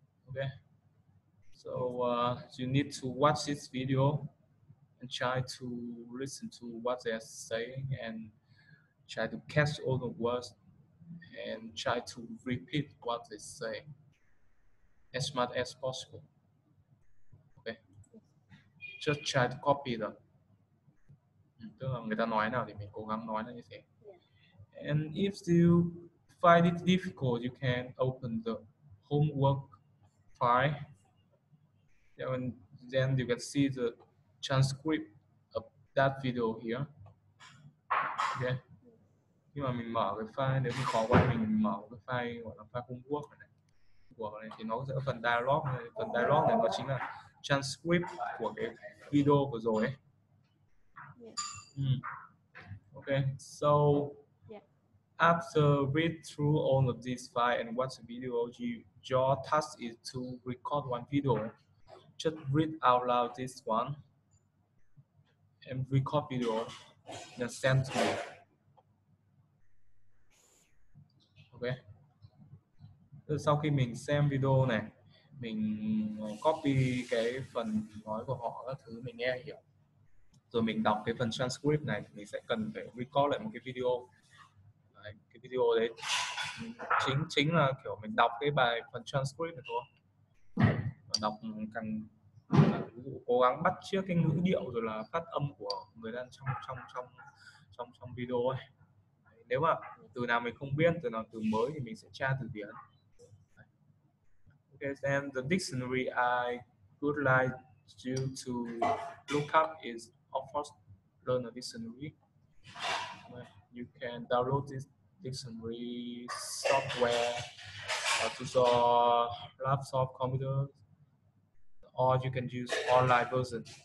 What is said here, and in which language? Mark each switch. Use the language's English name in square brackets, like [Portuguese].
[English] Okay, so you need to watch this video and try to listen to what they are saying and try to catch all the words and try to repeat what they say as much as possible. Okay, just try to copy them. [Vietnamese] Tức là người ta nói nào thì mình cố gắng nói như thế. [English] And if you find it difficult, you can open the homework file. Then you can see the transcript of that video here. Okay. [Vietnamese] Nhưng mà mình mở cái file, nếu mình khó quá mình mở cái file gọi là file homework này. Homework này thì nó sẽ phần dialog này. Phần dialog này nó chính là transcript của cái video vừa rồi ấy. [English] Okay, so after read through all of these files and watch the video, your task is to record one video. Just read out loud this one and record video and send to me. Okay. [Vietnamese] Rồi sau khi mình xem video này, mình copy cái phần nói của họ các thứ mình nghe hiểu. Rồi mình đọc cái phần transcript này, mình sẽ cần phải record lại một cái video. Đấy, cái video đấy chính là kiểu mình đọc cái bài phần transcript này thôi. Đọc cần cố gắng bắt chước cái ngữ điệu rồi là phát âm của người đang trong video ấy. Đấy, nếu mà từ nào mình không biết, từ nào từ mới thì mình sẽ tra từ điển. [English] Okay, then the dictionary I would like you to look up is of course learn a dictionary. You can download this dictionary software to your laptop, computer, or you can use online version.